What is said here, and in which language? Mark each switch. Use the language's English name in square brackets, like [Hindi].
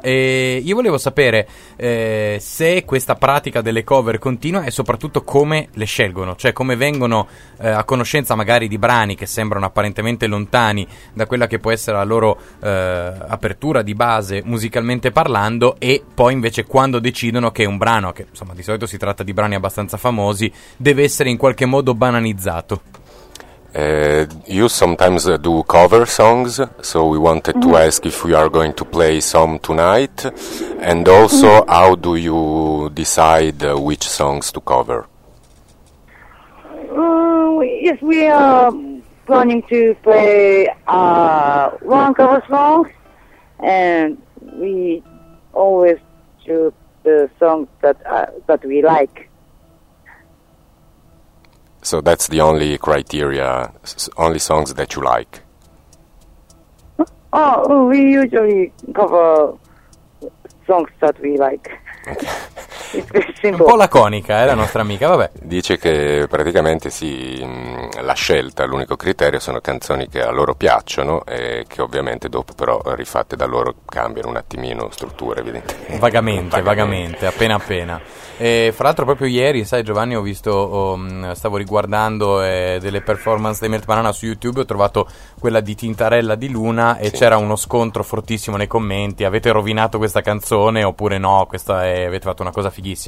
[Italian] E io volevo sapere se questa pratica delle cover continua, e soprattutto come le scelgono, cioè come vengono a conoscenza magari di brani che sembrano apparentemente lontani da quella che può essere la loro apertura di base musicalmente parlando, e poi invece quando decidono che un brano, che insomma di solito si tratta di brani abbastanza famosi, deve essere in qualche modo banalizzato. [English] You sometimes do cover songs, so we wanted to ask if you are going to play some tonight, and also how do you decide which songs to cover? Yes, we are planning to play one cover song, and we always choose the songs that that we like. So that's the only criteria, only songs that you like. Oh, we usually cover songs that we like. [Italian] Un po' laconica, la nostra amica, vabbè. Dice che praticamente sì, la scelta, l'unico criterio sono canzoni che a loro piacciono e che ovviamente dopo però rifatte da loro cambiano un attimino struttura, evidentemente. Vagamente, appena appena. E fra l'altro proprio ieri, sai Giovanni, ho visto, stavo riguardando delle performance dei Melt Banana su YouTube, ho trovato quella di Tintarella di Luna e sì, c'era uno scontro fortissimo nei commenti: avete rovinato questa canzone oppure no, questa è, avete fatto una cosa fighissima.